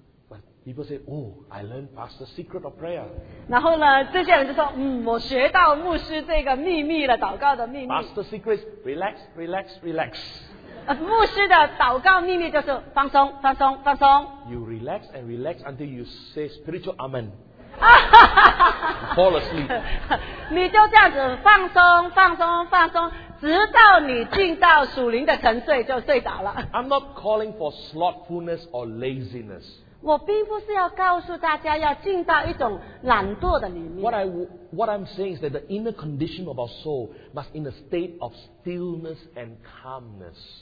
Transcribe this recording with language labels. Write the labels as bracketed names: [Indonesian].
[English] But people say, "Oh, I learned Pastor's secret of prayer." [Chinese] 然后呢，这些人就说，嗯，我学到牧师这个秘密了，祷告的秘密。 [English] Pastor's secret: relax, relax, relax. [Chinese] 牧师的祷告秘密就是放松，放松，放松。 [English] You relax and relax until you say spiritual amen. Fall asleep. [Chinese] 你就这样子放松，放松，放松，直到你进到属灵的沉睡就睡着了。 [English] I'm not calling for slothfulness or laziness. [Chinese] 我并不是要告诉大家要进到一种懒惰的里面。 [English] What I'm saying is that the inner condition of our soul must in a state of stillness and calmness.